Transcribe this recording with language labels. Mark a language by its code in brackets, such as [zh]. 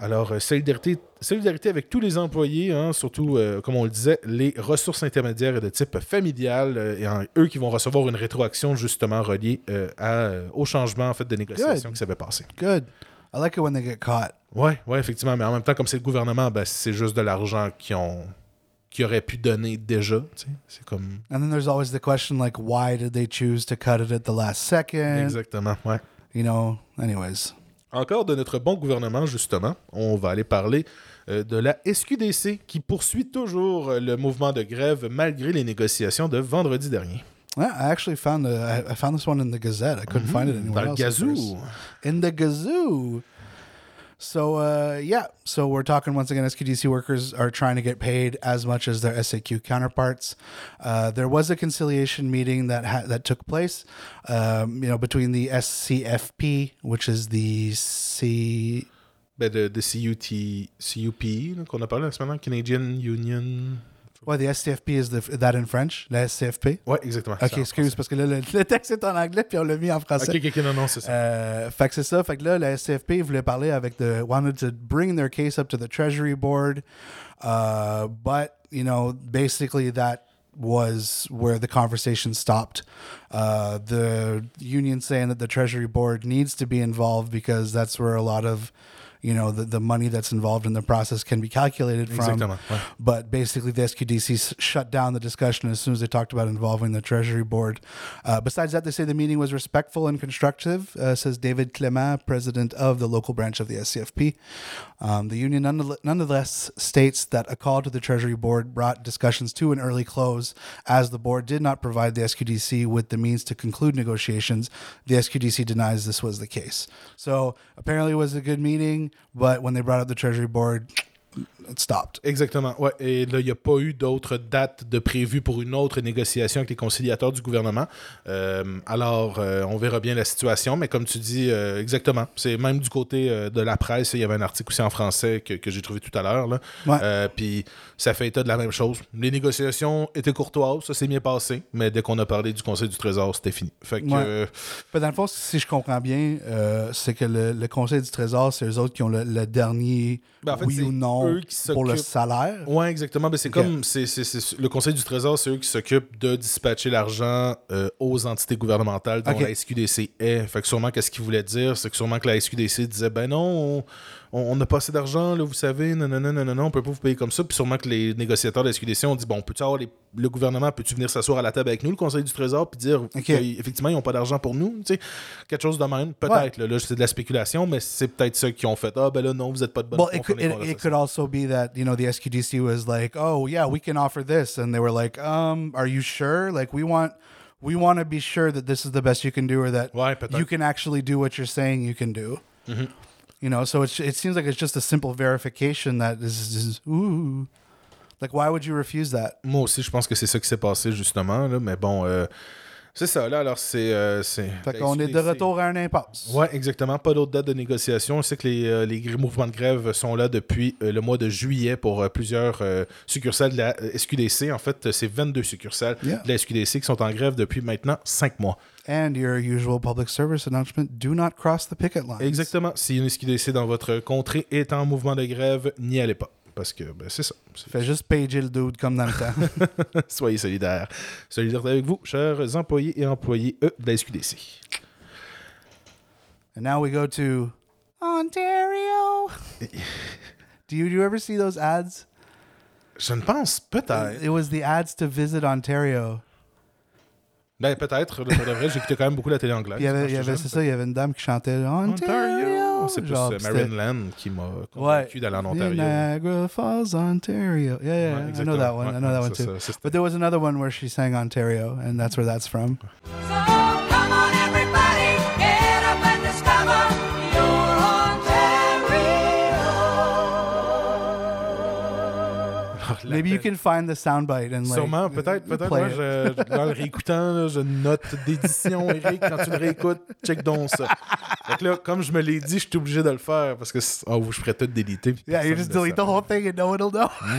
[fr] Alors, solidarité avec tous les employés, hein, surtout, comme on le disait, les ressources intermédiaires de type familial, eux qui vont recevoir une rétroaction justement reliée au changement en fait, de négociation qui s'avait passé. [en] Good. I like it when they get caught. [fr] Ouais, effectivement. Mais en même temps, comme c'est le gouvernement, ben, c'est juste de l'argent qu'ils auraient pu donner déjà. C'est comme... [en] And then there's always the question, like, why did they choose to cut it at the last second? [fr] Exactement, ouais. [en] You know, anyways... [fr] Encore de notre bon gouvernement, justement, on va aller parler de la SQDC qui poursuit toujours le mouvement de grève malgré les négociations de vendredi dernier. [en] Yeah, I found this one in the Gazette. I couldn't find it anywhere [fr] dans [en] else. [fr] Dans le gazou. [en] In the gazou. So we're talking once again, SQDC workers are trying to get paid as much as their SAQ counterparts. There was a conciliation meeting that took place, between the SCFP, which is the C... But the CUT, CUP, [fr] qu'on a parlé la semaine, [en] Canadian Union... Ouais, the SCFP is that in French, [fr] la SCFP. Ouais, exactement. Ok, excuse, parce que là, le texte est en anglais, puis on l'a mis en français. Ok, non, c'est ça. Fait que là, la SCFP voulait parler avec [en] the wanted to bring their case up to the Treasury Board, but you know, basically that was where the conversation stopped. The union saying that the Treasury Board needs to be involved because that's where a lot of you know, the money that's involved in the process can be calculated from. Exactly. Yeah. But basically, the SQDC shut down the discussion as soon as they talked about involving the Treasury Board. Besides that, they say the meeting was respectful and constructive, says David Clément, president of the local branch of the SCFP. The union nonetheless states that a call to the Treasury Board brought discussions to an early close, as the board did not provide the SQDC with the means to conclude negotiations. The SQDC denies this was the case. So apparently it was a good meeting, but when they brought up the Treasury Board, it stopped. [fr] Exactement. Ouais. Et là, il n'y a pas eu d'autres dates de prévues pour une autre négociation avec les conciliateurs du gouvernement. Alors, on verra bien la situation. Mais comme tu dis, exactement. C'est même du côté de la presse. Il y avait un article aussi en français que j'ai trouvé tout à l'heure. Là. Ouais. Puis ça fait état de la même chose. Les négociations étaient courtoises. Ça s'est bien passé. Mais dès qu'on a parlé du Conseil du Trésor, c'était fini. Fait que, ouais. Mais dans le fond, si je comprends bien, c'est que le Conseil du Trésor, c'est eux autres qui ont le dernier ou non. Pour le salaire? Oui, exactement. Mais c'est comme c'est le Conseil du Trésor, c'est eux qui s'occupent de dispatcher l'argent aux entités gouvernementales dont la SQDC est. Fait que sûrement, qu'est-ce qu'ils voulaient dire? C'est que sûrement que la SQDC disait « Ben non, on n'a pas assez d'argent, là, vous savez, non, on ne peut pas vous payer comme ça. » Puis sûrement que les négociateurs de la SQDC ont dit « Bon, peux-tu avoir le gouvernement, peux-tu venir s'asseoir à la table avec nous, le Conseil du Trésor, puis dire qu'effectivement, ils n'ont pas d'argent pour nous? » Tu sais, quelque chose de même, peut-être. Ouais. Là, c'est de la spéculation, mais c'est peut-être ceux qui ont fait « Ah, ben là, non, vous n'êtes pas de bonne [en] be that, you know, the SQDC was like, oh yeah, we can offer this, and they were like, are you sure? Like, we want to be sure that this is the best you can do, or that you can actually do what you're saying you can do. Mm-hmm. You know, so it seems like it's just a simple verification that this is ooh. Like, why would you refuse that? [fr] Moi aussi, je pense que c'est ça qui s'est passé justement là, mais bon. C'est ça, là, alors c'est... Fait qu'on est de retour à un impasse. Ouais, exactement. Pas d'autres dates de négociation. On sait que les mouvements de grève sont là depuis le mois de juillet pour plusieurs succursales de la SQDC. En fait, c'est 22 succursales de la SQDC qui sont en grève depuis maintenant 5 mois. [en] And your usual public service announcement, do not cross the picket lines. [fr] Exactement. Si une SQDC dans votre contrée est en mouvement de grève, n'y allez pas. Parce que ben, c'est ça. Fais juste pager le dude comme dans le temps. Soyez solidaires. Solidaires avec vous, chers employés et employés de la SQDC. [en] And now we go to Ontario. Do you ever see those ads? [fr] Je ne pense, peut-être. [en] It was the ads to visit Ontario. [fr] Ben, peut-être. De vrai, j'écoutais quand même beaucoup la télé anglaise. Il y avait une dame qui chantait Ontario. C'est plus Marin Land qui m'a convaincu d'aller en Ontario. [en] Niagara Falls, Ontario. Yeah, I know that one. I know that one too. But there was another one where she sang Ontario, and that's where that's from. So come on everybody, get up and discover your Ontario. Maybe you can find the soundbite and like. [fr] Sûrement, peut-être play moi, dans le réécoutant, je note d'édition, Eric, quand tu le réécoutes, check donc ça. Donc là, comme je me l'ai dit, je suis obligé de le faire parce que je pourrais tout déliter. [en] Yeah, you just delete the whole thing and no one will know.